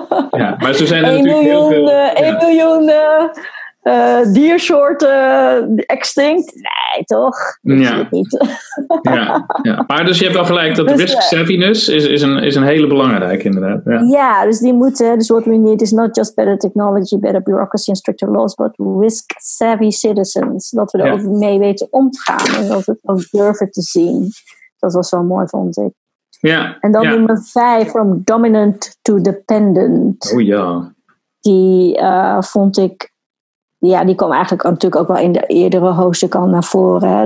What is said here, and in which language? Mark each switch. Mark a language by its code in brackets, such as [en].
[nl] Ja, maar zo zijn er natuurlijk miljoen, heel veel. 1 miljoen diersoorten extinct. Nee, toch? Ja. Maar dus je hebt wel gelijk dat risk savviness is een hele belangrijke inderdaad. Ja, dus die moeten. [en] Dus what we need is not just better technology, better bureaucracy and stricter laws, but risk savvy citizens. [nl] Dat we er ook mee weten om te gaan en dat we het ook durven te zien. Dat was wel mooi, vond ik. Ja. En dan nummer 5, from dominant to dependent. Oh ja. Die vond ik. Ja, die kwam eigenlijk natuurlijk ook wel in de eerdere hoofdstuk al naar voren. Hè?